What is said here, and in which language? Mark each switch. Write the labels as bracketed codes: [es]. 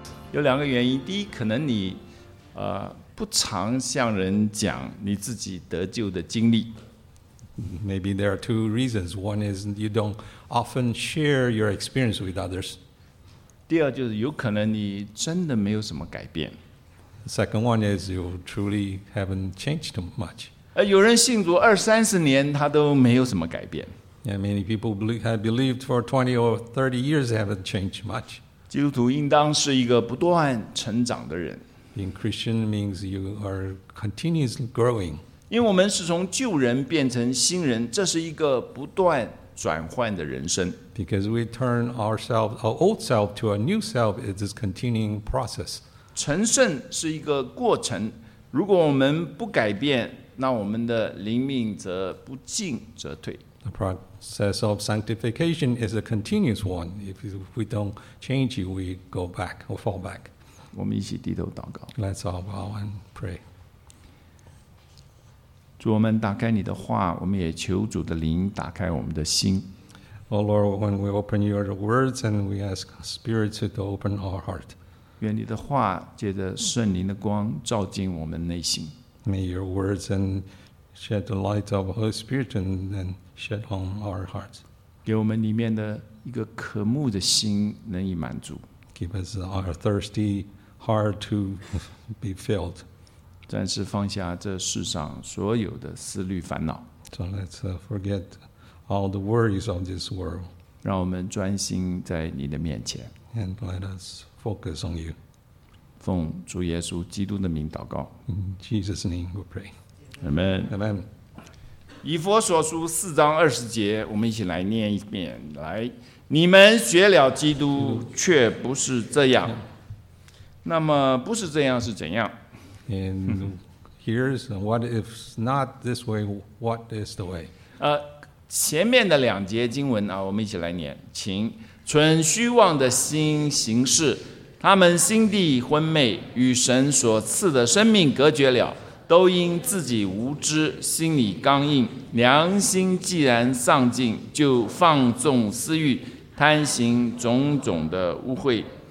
[zh] 有两个原因，第一，可能你不常向人讲你自己得救的经历。 [en] Maybe there are two reasons. One is you don't often share your experience with others. [zh] 第二就是有可能你真的没有什么改变。 [en] The second one is you truly haven't changed much. [zh] 有人信主二三十年，他都没有什么改变。 [en] Yeah, many people have believed for 20 or 30 years haven't changed much. [zh] 基督徒应当是一个不断成长的人。 [en] Being Christian means you are continuously growing. [zh] 因为我们是从旧人变成新人，这是一个不断转换的人生。 [en] Because we turn ourselves, our old self to a new self, it is a continuing process. [zh] 成圣是一个过程，如果我们不改变，那我们的灵命则不进则退。 [en] The process of sanctification is a continuous one. If we don't change, we go back or fall back. [zh] 我们一起低头祷告。 [en] Let's all bow and pray. [zh] 主，我们打开你的话，我们也求主的灵打开我们的心。 [en] Oh Lord, when we open your words and we ask Spirit to open our heart. [zh] 愿你的话借着圣灵的光照进我们内心。 [en] May your words and shed the light of Holy Spirit and then shed on our hearts. [zh] 给我们里面的一个渴慕的心能以满足。 [en] Give us our thirsty heart to be filled. [zh] 暂时放下这世上所有的思虑烦恼。 [en] So let's forget all the worries of this world. [zh] 让我们专心在你的面前。 [en] And let us focus on you. [zh] 奉主耶稣基督的名祷告。 [en] In Jesus' name we pray. Amen. Amen. [zh] 以弗所书四章二十节，我们一起来念一遍。来，你们学了基督，却不是这样。那么不是这样是怎样？ [en] And here's what if not this way, what is the way? [zh] 前面的两节经文啊，我们一起来念，请存虚妄的心行事，他们心地昏昧，与神所赐的生命隔绝了，都因自己无知，心里刚硬，良心既然丧尽，就放纵私欲，贪行种种的污秽。